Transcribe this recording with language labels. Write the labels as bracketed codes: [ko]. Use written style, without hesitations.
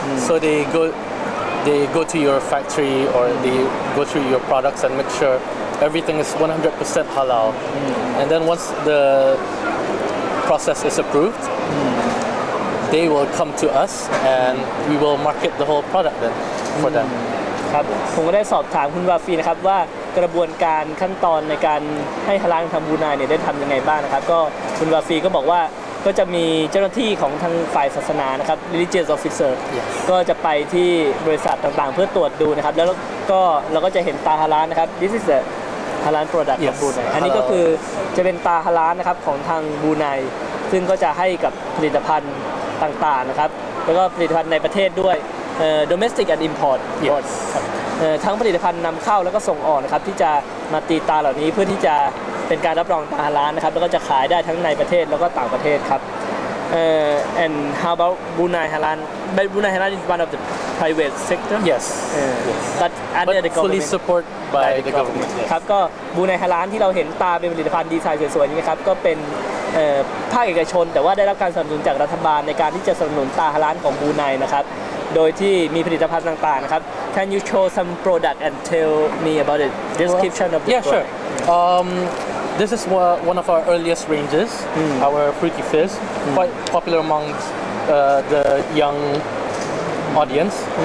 [en] So they go to your factory or they go through your products and make sure everything is 100% halal. And then once the process is approved, they will come to us and we will market the whole product then for them. [th] ครับผมก็ได้สอบถามคุณวาฟีนะครับว่ากระบวนการขั้นตอนในการให้ฮาลาลทำบรูไนเนี่ยได้ทำยังไงบ้างนะครับก็คุณวาฟีก็บอกว่าก็จะมีเจ้าหน้าที่ของทางฝ่ายศาสนานะครับ [en] religious officer yes. [th] ก็จะไปที่บริษัทต่างๆเพื่อตรวจดูนะครับแล้วก็เราก็จะเห็นตาฮาลาลนะครับ [en] this is a [th] ฮาลาลโปรดักต์ของบรูไนอันนี้ก็คือจะเป็นตาฮาลาลนะครับของทางบรูไนซึ่งก็จะให้กับผลิตภัณฑ์ต่างๆนะครับแล้วก็ผลิตภัณฑ์ในประเทศด้วย [en] domestic and import yes. [th] ทั้งผลิตภัณฑ์นำเข้าแล้วก็ส่งออกนะครับที่จะมาตีตาเหล่านี้เพื่อที่จะเป็นการรับรองตาฮาลาลนะครับแล้วก็จะขายได้ทั้งในประเทศแล้วก็ต่างประเทศครับ [en] and how about Brunei Halal? Brunei Halal is one of the private sector. Yes. But under the government. But fully supported by the government. [th] ครับก็ Brunei Halal ที่เราเห็นตาเป็นผลิตภัณฑ์ดีไซน์สวยๆนี่นะครับก็เป็นภาคเอกชนแต่ว่าได้รับการสนับสนุนจากรัฐบาลในการที่จะสนับสนุนตาฮาลาลของ Brunei นะครับโดยที่มีผลิตภัณฑ์ต่างๆนะครับ [en] Can you show some product and tell me about it? Description of the product. Yeah, sure. This is one of our earliest ranges, our Fruity Fizz, quite popular among the young audience.